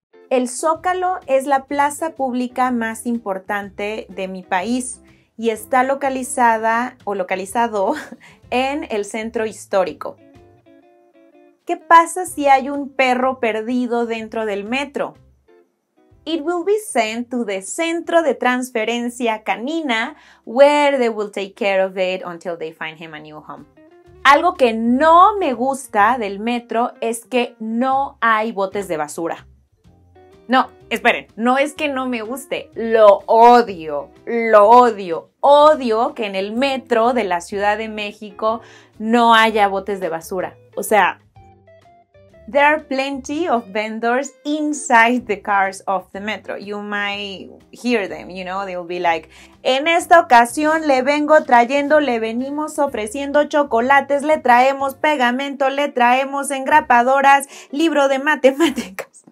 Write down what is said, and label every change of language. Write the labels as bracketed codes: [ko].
[es] El Zócalo es la plaza pública más importante de mi país y está localizado en el centro histórico. ¿Qué pasa si hay un perro perdido dentro del metro? [en] It will be sent to the Centro de Transferencia Canina, where they will take care of it until they find him a new home. [es] Algo que no me gusta del metro es que no hay botes de basura. No, esperen, no es que no me guste, lo odio. Odio que en el metro de la Ciudad de México no haya botes de basura. O sea, [en] there are plenty of vendors inside the cars of the metro. You might hear them, you know, they'll be like, [es] en esta ocasión le vengo trayendo, le venimos ofreciendo chocolates, le traemos pegamento, le traemos engrapadoras, libro de matemáticas.